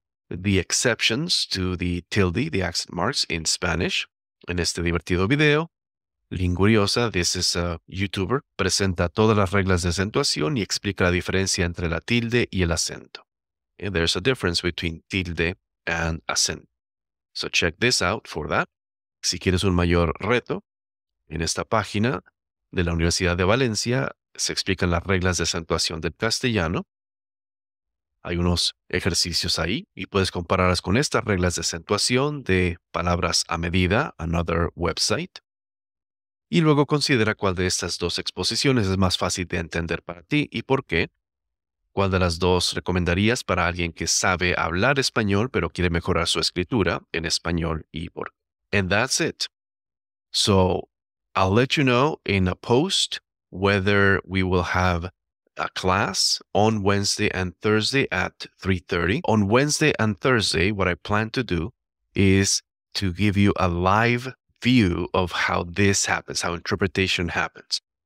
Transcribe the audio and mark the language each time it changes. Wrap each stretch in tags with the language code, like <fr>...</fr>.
<en>The exceptions to the tilde, the accent marks in Spanish.</en> <es>En este divertido video, Linguriosa,</es> <en>this is a YouTuber,</en> <es>presenta todas las reglas de acentuación y explica la diferencia entre la tilde y el acento.</es> <en>And there's a difference between tilde and acento. So check this out for that.</en> <es>Si quieres un mayor reto, en esta página de la Universidad de Valencia se explican las reglas de acentuación del castellano. Hay unos ejercicios ahí y puedes compararlas con estas reglas de acentuación de palabras a medida,</es> <en>another website.</en> <es>Y luego considera cuál de estas dos exposiciones es más fácil de entender para ti y por qué. ¿Cuál de las dos recomendarías para alguien que sabe hablar español pero quiere mejorar su escritura en español y por qué?</es> <en>And that's it. So I'll let you know in a post whether we will have a class on Wednesday and Thursday at 3:30. On Wednesday and Thursday, what I plan to do is to give you a live view of how this happens, how interpretation happens.</en>